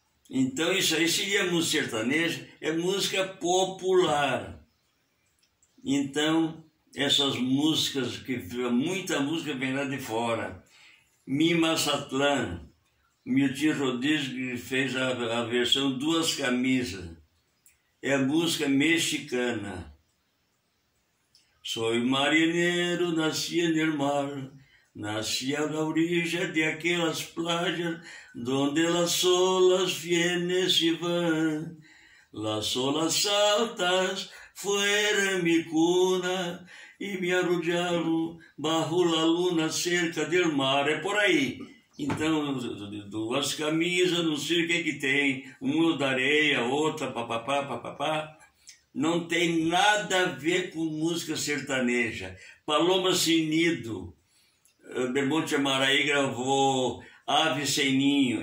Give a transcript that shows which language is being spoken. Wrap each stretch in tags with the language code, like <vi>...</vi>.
<pt>Então, isso aí seria música sertaneja, é música popular. Então, essas músicas, que muita música vem lá de fora. Mimazatlán, Miltinho Rodrigues fez a versão Duas Camisas. É a música mexicana.</pt> <es>Soy marinero, nasci en el mar, nasci a la orilla de aquelas playas donde las olas vienen y van. Las olas altas fueron mi cuna y me arrullaron bajo la luna cerca del mar.</es> <pt>É por aí. Então, duas camisas, não sei o que é que tem, uma da areia, outra, papapá, papapá. Não tem nada a ver com música sertaneja. Paloma Sem Nido, Bermonte Amaraí gravou Ave Sem Ninho.</pt>